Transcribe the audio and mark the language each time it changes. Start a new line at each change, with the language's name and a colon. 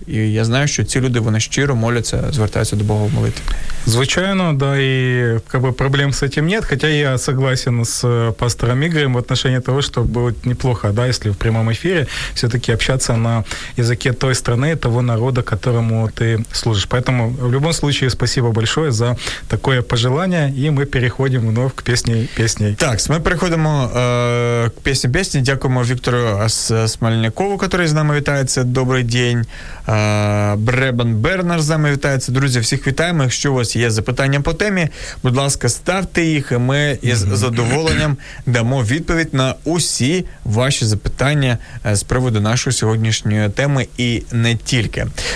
Ukrainian: І я знаю, що ці люди, вони щиро моляться, звертаються до Бога в молитві.
Russian: Звичайно, да, і как бы, проблем з цим нет, хоча я согласен з пастором Ігорем в отношении того, що було б неплохо, да, якщо в прямому ефірі все-таки общатися на языке той страны, того народу, которому ти служиш. Поэтому, в любом случае, спасибо большое за такое пожелание, и мы переходим вновь к песне-песне.
Ukrainian: Так, ми переходимо к песне-песне. Дякуємо Віктору Смальнякову,
Russian: который
Ukrainian: з нами вітається. Добрий день. Бребан Бернар з нами вітається. Друзі, всіх вітаємо. Якщо у вас є запитання по темі, будь ласка, ставте їх, і ми із задоволенням дамо відповідь на усі ваші запитання з приводу нашої сьогоднішньої теми і не тільки.